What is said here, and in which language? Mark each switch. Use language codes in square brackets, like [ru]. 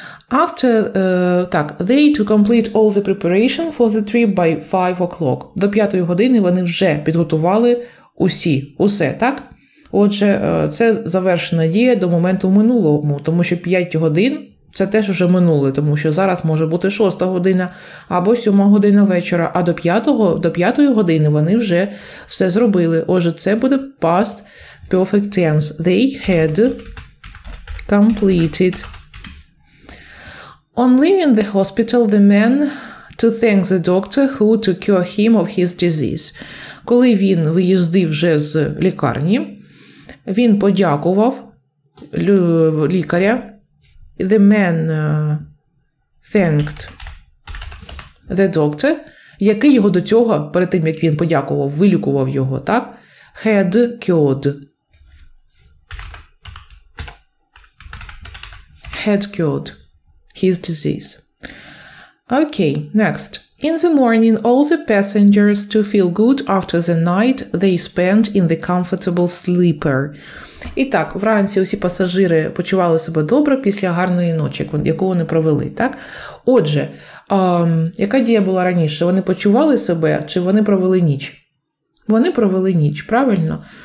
[en] After, так, they to complete all the preparation for the trip by 5 o'clock. [uk] До 5 години вони вже підготували усі, усе, так? Отже, це завершена дія до моменту минулому, тому що 5 годин – це теж вже минуле, тому що зараз може бути 6 година або 7 година вечора, а до 5, до 5 години вони вже все зробили. [en] Отже, це буде past perfect tense. They had completed. On leaving the hospital, the man to thank the doctor who took care of him of his disease. [uk] Коли він виїздив вже з лікарні, він подякував лікаря. The man thanked the doctor, який його до цього, перед тим, як він подякував, вилікував його, так? [en] Had cured. Had cured his disease. Okay, next. In the morning, all the passengers to feel good after the night they spent in the comfortable sleeper. [uk] І так, вранці усі пасажири почували себе добре після гарної ночі, яку вони провели, так? Отже, яка дія була раніше? Вони почували себе чи вони провели ніч? Вони провели ніч, правильно?